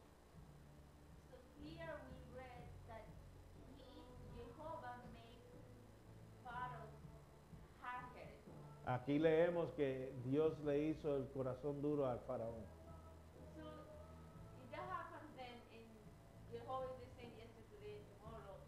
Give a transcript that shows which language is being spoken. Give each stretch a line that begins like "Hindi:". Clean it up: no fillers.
English: So here we read that Jehovah made Pharaoh hard-headed.
Spanish: Aquí leemos que Dios le hizo el corazón duro al faraón.
English: So if that happens then in Jehovah is the same yesterday and tomorrow.